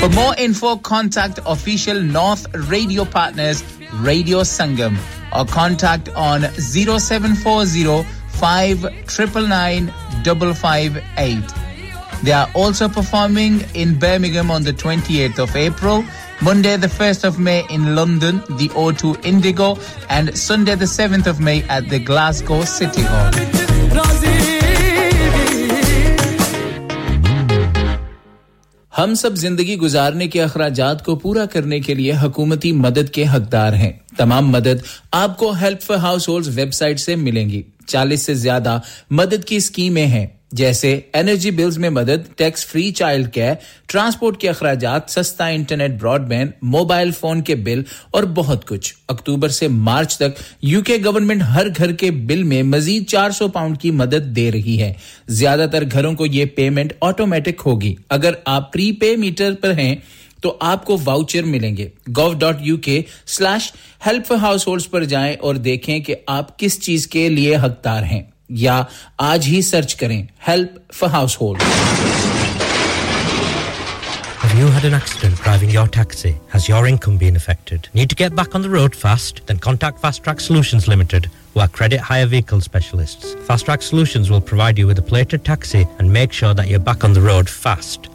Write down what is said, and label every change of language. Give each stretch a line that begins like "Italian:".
English: For more info, contact official North Radio Partners Radio Sangam or contact on 0740-599-558. They are also performing in Birmingham on the 28th of April, Monday the 1st of May in London, the O2 Indigo, and Sunday the 7th of May at the Glasgow City Hall.
Urdu: ہم سب زندگی گزارنے کے اخراجات کو پورا کرنے کے لیے حکومتی مدد کے حقدار ہیں تمام مدد آپ کو help for house holds web site سے ملیں گی 40 سے زیادہ مدد کی سکیمیں ہیں جیسے انرجی بلز میں مدد tax free child care transport کے اخراجات سستا internet Broad band mobile phone کے بل اور بہت کچھ اکتوبر سے مارچ تک یو کے گورنمنٹ ہر گھر کے بل میں مزید £400 کی مدد دے رہی ہے زیادہ تر گھروں کو یہ پیمنٹ آٹومیٹک ہوگی اگر آپ پری پے میٹر پر ہیں تو آپ کو واؤچر ملیں گے gov.uk/helpforhouseholds پر جائیں اور دیکھیں کہ آپ کس چیز کے لیے حقدار ہیں یا آج ہی سرچ کریں Help for Household
English: Have you had an accident driving your taxi? Has your income been affected? Need to get back on the road fast? Then contact Fast Track Solutions Limited who are credit hire vehicle specialists. Fast Track Solutions will provide you with a plated taxi and make sure that you're back on the road fast.